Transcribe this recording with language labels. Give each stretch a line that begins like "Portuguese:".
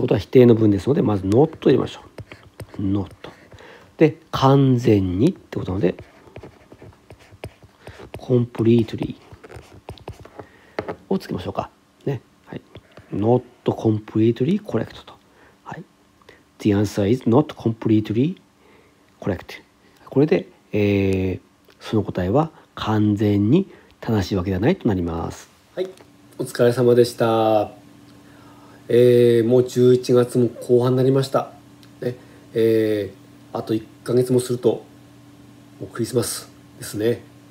Japanese: ことは否定の部分ですので、まず not と入れましょう。not。で、完全にってことなので、 completely をつけましょうか。ね、はい、
English: not completely correct
Japanese: と、はい。
English: The answer is not completely correct。
Japanese: これで、その答えは完全に正しいわけではないとなります。はい、お疲れ様でした。もう11月も後半になりました。ね、あと1ヶ月もするともうクリスマスですね。